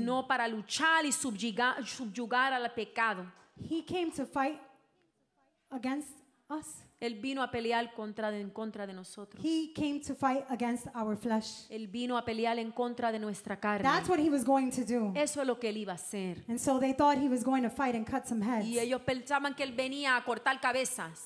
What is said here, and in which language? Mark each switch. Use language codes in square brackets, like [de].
[es] Sino para luchar y subyugar al pecado. [en] He came to fight against us. [es] Él vino a pelear en contra de nosotros. [en] He came to fight against our flesh. [es] Él vino a pelear en contra de nuestra carne. [en] That's what he was going to do. [es] Eso es lo que él iba a hacer. [en] And so they thought he was going to fight and cut some heads. [es] Y ellos pensaban que él venía a cortar cabezas.